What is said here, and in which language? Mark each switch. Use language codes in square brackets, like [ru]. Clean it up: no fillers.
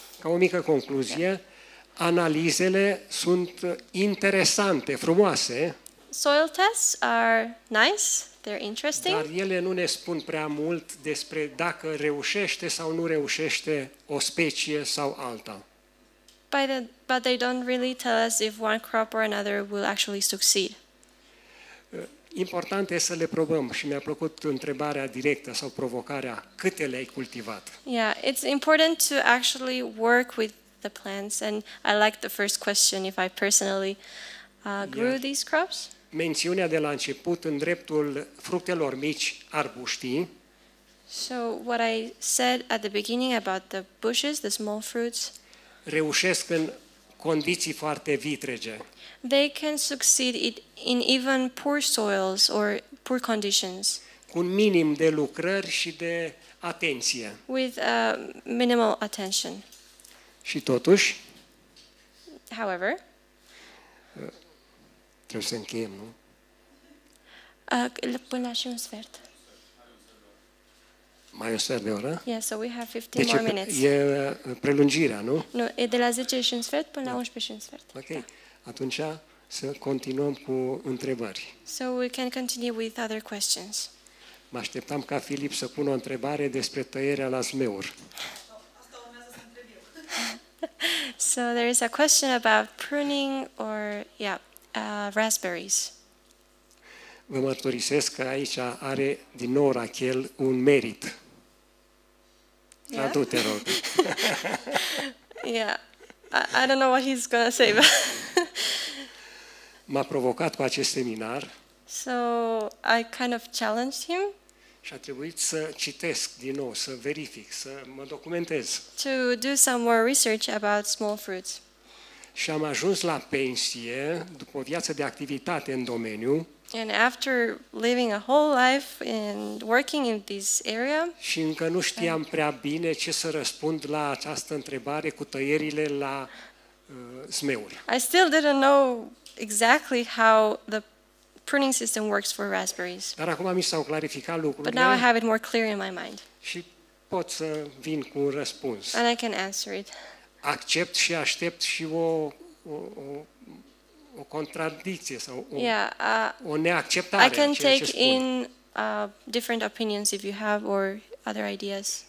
[ro] Ca o mică concluzie, yeah. Analizele sunt interesante, frumoase. [en] Soil tests are nice, they're interesting. [ro] Dar ele nu ne spun prea mult despre dacă reușește sau nu reușește o specie sau alta. [en] But they don't really tell us if one crop or another will actually succeed. [ro] Important e să le probăm și mi-a plăcut întrebarea directă sau provocarea, câte le-ai cultivat? [en] Yeah, it's important to actually work with the plants, and I like the first question if I personally grew these crops. [ro] Mențiunea de la început în dreptul fructelor mici, arbuștii. [en] So what I said at the beginning about the bushes, the small fruits, [ro] reușesc în condiții foarte vitrege. [en] They can succeed in even poor soils or poor conditions. [ro] Cu un minim de lucrări și de atenție. [en] With minimal attention. [ro] Și totuși, [en] however, [ro] trebuie să încheiem, nu? Până și un sfert. Mai un sfert de oră? [en] Yeah, so we have 15 [ro] deci [en] more minutes. [ro] E prelungirea, nu? Nu, e de la 10 și un sfert până la 11 și un sfert. Ok, da. Atunci să continuăm cu întrebări. [en] So we can continue with other questions. [ro] Mă așteptam ca Filip să pună o întrebare despre tăierea la zmeuri. [en] So there is a question about pruning or raspberries. [ro] Vă mărturisesc că aici are din nou Rachel un merit. [en] Yeah. [ro] Tradu-te, rog. [en] Yeah. I don't know what he's going to say. But [ro] m-a provocat cu acest seminar. [en] So I kind of challenged him. [ro] Și a trebuit să citesc din nou, să verific, să mă documentez. [en] To do some more research about small fruits. [ro] Și am ajuns la pensie după o viață de activitate în domeniu. [en] And after living a whole life in working in this area. [ro] Și încă nu știam prea bine ce să răspund la această întrebare cu tăierile la zmeuri. [en] I still didn't know exactly how the pruning system works for raspberries. [ro] Dar acum mi s-au clarificat lucrurile. [en] But now I have it more clear in my mind. [ro] Și pot să vin cu un răspuns. [en] And I can answer it. [ro] Accept și aștept și o contradicție sau o neacceptare. [en] I can take [ro] ce spun. [en] In different opinions if you have or other ideas.